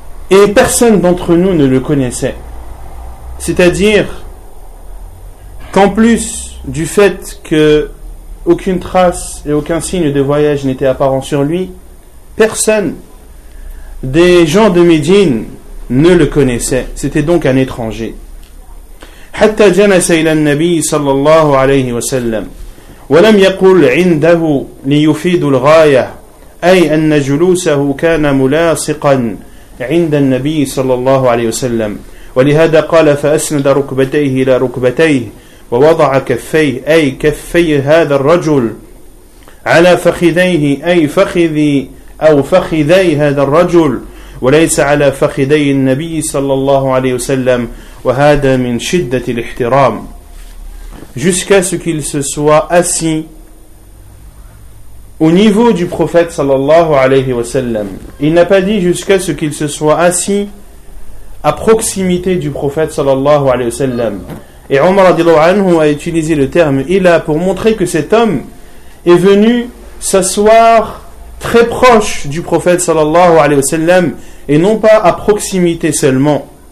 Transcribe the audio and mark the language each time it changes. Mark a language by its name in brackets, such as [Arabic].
[French] Et personne d'entre nous ne le connaissait. C'est-à-dire qu'en plus du fait que aucune trace et aucun signe de voyage n'était apparent sur lui, personne des gens de Médine ne le connaissait. C'était donc un étranger. [Arabic] حتى جلس إلى النبي صلى الله عليه وسلم ولم يقل عنده ليفيد الغاية أي أن جلوسه كان ملاصقا عند النبي صلى الله عليه وسلم ولهذا قال فأسند ركبتيه إلى ركبتيه ووضع كفيه أي كفي هذا الرجل على فخذيه أي فخذي أو فخذي هذا الرجل وليس على فخذي النبي صلى الله عليه وسلم وهذا من شدة الاحترام [French] jusqu'à ce qu'il se soit assis au niveau du prophète sallallahu alayhi wa sallam. Il n'a pas dit jusqu'à ce qu'il se soit assis à proximité du prophète [Arabic] sallallahu alayhi wa sallam. [French] Et Omar [Arabic] radiallahu anhu [French] a utilisé le terme ila pour montrer que cet homme est venu s'asseoir très proche du prophète [Arabic] sallallahu alayhi wa sallam [French] et non pas à proximité seulement.